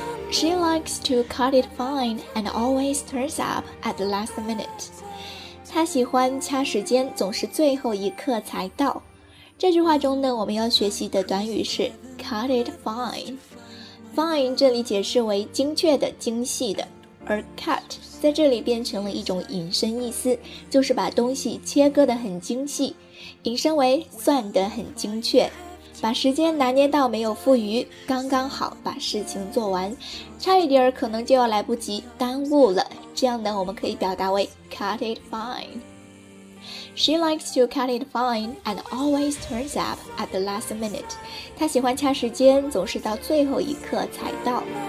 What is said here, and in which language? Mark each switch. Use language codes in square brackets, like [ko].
[en] 'She likes to cut it fine and always turns up at the last minute.' [zh] 她喜欢掐时间，总是最后一刻才到。这句话中呢，我们要学习的短语是 cut it fine。 Fine 这里解释为精确的、精细的，而 cut 在这里变成了一种引申意思，就是把东西切割得很精细，引申为算得很精确，把时间拿捏到没有富余，刚刚好把事情做完，差一点可能就要来不及，耽误了。这样呢，我们可以表达为 cut it fine。 [en] She likes to cut it fine and always turns up at the last minute. [zh] 他喜欢掐时间，总是到最后一刻才到。